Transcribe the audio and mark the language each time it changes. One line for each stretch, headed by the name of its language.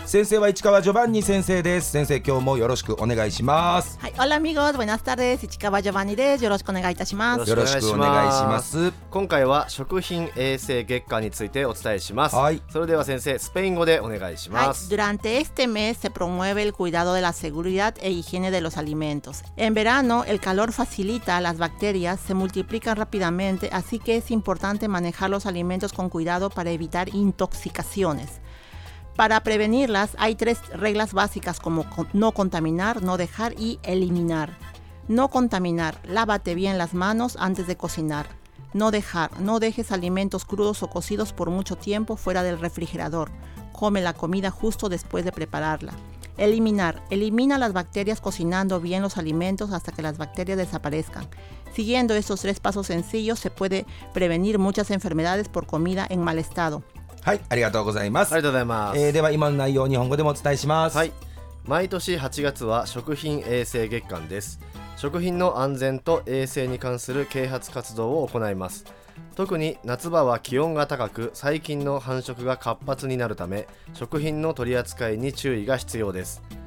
Japanese: 先生は市川ジョバンニ先生です。先生今日もよろしくお願いします。はい、
Spanish: オラミゴーズ、ボイナスタ
Japanese: です。市川ジョバンニです。よろしくお願いいたします。よろしくお願いします。今回は食品衛生月間についてお伝えします。はい、それでは先生スペイン語でお願いします。はい、
Spanish: durante este mes se promueve el cuidado de la seguridad e higiene de los alimentos. En verano el calor facilita las bacterias se multiplican rápidamente, así que es importante manejar los alimentos con cuidado para evitar intoxicaciones. Para prevenirlas hay tres reglas básicas como no contaminar, no dejar y eliminar. No contaminar, lávate bien las manos antes de cocinar. No dejar, no dejes alimentos crudos o cocidos por mucho tiempo fuera del refrigerador. Come la comida justo después de prepararla. Eliminar, elimina las bacterias cocinando bien los alimentos hasta que las bacterias desaparezcan. Siguiendo estos tres pasos sencillos se puede prevenir muchas enfermedades por comida en mal estado.
Japanese: はい、ありがとうございます。ありがとうございます。では今の内容を日本語でもお伝えします。はい。毎年8月は食品衛生月間です。食品の安全と衛生に関する啓発活動を行います。特に夏場は気温が高く細菌の繁殖が活発になるため食品の取り扱いに注意が必要です。